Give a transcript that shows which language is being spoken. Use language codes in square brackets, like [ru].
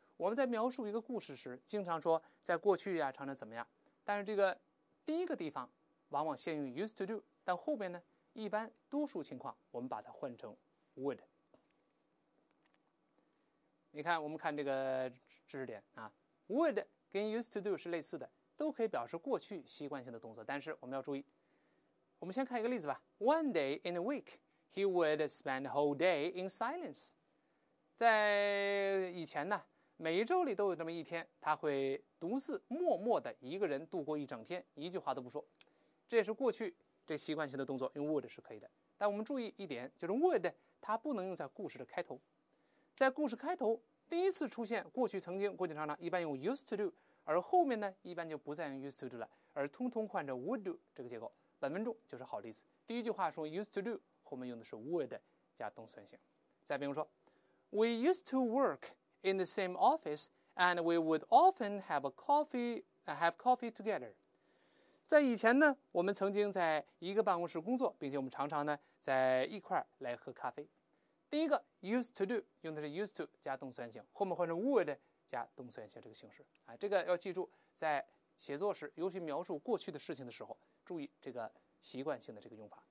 [zh] 我们在描述一个故事时，经常说在过去啊常常怎么样，但是这个第一个地方往往先用 [en] used to do， [zh] 但后面呢，一般多数情况我们把它换成 would。你看，我们看这个知识点啊 ，would。跟 used to do 是类似的，都可以表示过去习惯性的动作，但是我们要注意，我们先看一个例子吧。 [en] One day in a week he would spend the whole day in silence。 [zh] 在以前呢，每一周里都有这么一天，他会独自默默的一个人度过一整天，一句话都不说。这也是过去这习惯性的动作，用 would 是可以的。但我们注意一点，就是 would 它不能用在故事的开头。在故事开头第一次出现过去曾经过去常常一般用 [en] used to do， [zh] 而后面呢一般就不再用 used to do 了，而通通换着 [en] would do [zh] 这个结构。本文中就是好例子，第一句话说 [en] used to do， [zh] 后面用的是 would 加动词原形。再比如说， [en] We used to work in the same office and we would often have coffee together。 [zh] 在以前呢，我们曾经在一个办公室工作，并且我们常常呢在一块来喝咖啡。第一个 [en] used to do [zh] 用的是 used to 加动词原形，后面换成 would 加动词原形这个形式啊，这个要记住，在写作时尤其描述过去的事情的时候，注意这个习惯性的这个用法。